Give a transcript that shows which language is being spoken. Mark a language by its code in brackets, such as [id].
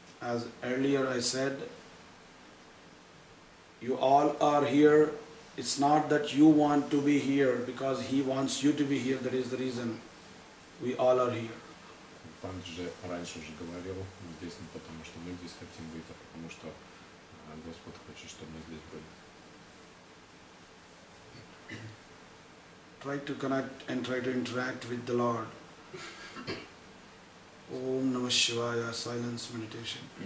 [en] As earlier I said, you all are here. It's not that you want to be here because He wants you to be here. That is the reason we all are here. [ru] Пандит же раньше уже говорил, мы здесь не потому, что мы здесь хотим быть, а потому что Господь хочет, чтобы мы здесь были. [en] Try to connect and try to interact with the Lord. Om Namah Shivaya, silence meditation.